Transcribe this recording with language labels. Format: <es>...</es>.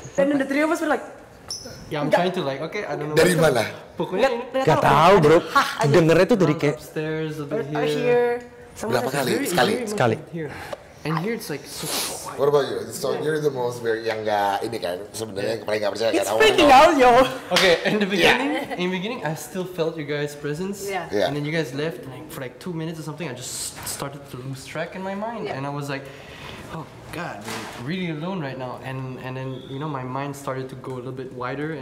<en>And then the three of us were like. Yeah, I'm trying to like, okay, I don't know.</en> <id>Dari mana? Pokoknya gak tahu bro. Dengernya tuh dari kayak.</id> <en>Upstairs, over here.</en> <id>Berapa kali? Sekali.</id> <en>And here it's like so quiet. What about you? So you're the most very yang gak ini kan?</en> <id>Sebenarnya yang paling gak percaya.</id> <en>It's freaking out, yo. Okay, in the beginning, I still felt you guys' presence. Yeah. And then you guys left like, for like 2 minutes or something. I just started to lose track in my mind. Yeah. And I was like, oh God, I'm really alone right now. And then, you know, my mind started to go a little bit wider and</en>